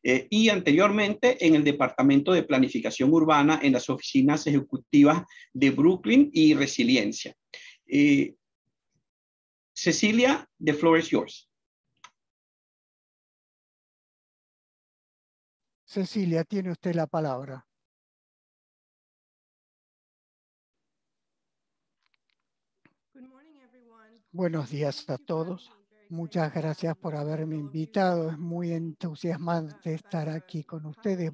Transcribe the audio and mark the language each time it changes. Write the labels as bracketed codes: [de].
[es] Y anteriormente en el Departamento de Planificación Urbana en las oficinas ejecutivas de Brooklyn y Resiliencia. [en] Cecilia, the floor is yours. [es] Cecilia, tiene usted la palabra. [en] Good morning. [es] Buenos días a todos. Muchas gracias por haberme invitado. Es muy entusiasmante estar aquí con ustedes.